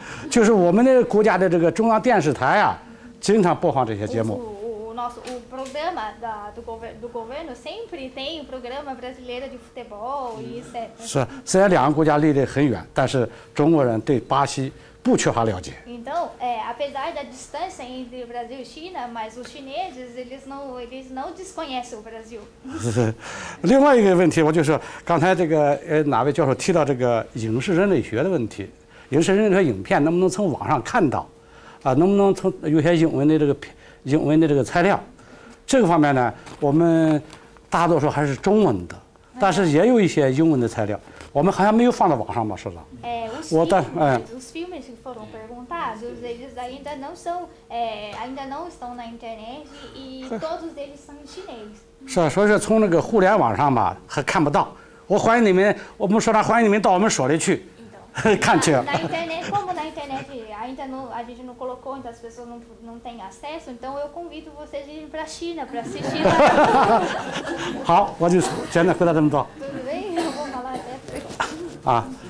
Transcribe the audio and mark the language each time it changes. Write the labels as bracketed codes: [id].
[zh] 就是我们的国家的这个中央电视台啊，经常播放这些节目。 [pt] O programa do governo sempre tem o programa brasileiro de futebol e etc. [zh] 是，虽然两个国家离得很远，但是中国人对巴西不缺乏了解。 [pt] Então, apesar da distância entre o Brasil e China, mas os chineses eles não desconhecem o Brasil. [zh] 另外一个问题，我就是刚才这个哪位教授提到这个影视人类学的问题，影视人类学影片能不能从网上看到？能不能从有些英文的这个材料？这个方面呢，我们大多数还是中文的，但是也有一些英文的材料。我们好像没有放到网上吧，是吧？ [pt] Os filmes que foram perguntados, eles ainda não são, ainda não estão na internet e todos eles são em chinês. [zh] 是啊，所以说从那个互联网上吧，还看不到。我欢迎你们，我们说啥？欢迎你们到我们所里去看去。 [pt] 那internet como na internet ainda não a gente não colocou, então as pessoas não têm acesso, então eu convido vocês ir para a China para assistir. [zh] 好，我就简单回答这么多。对对对，我马上再回。啊。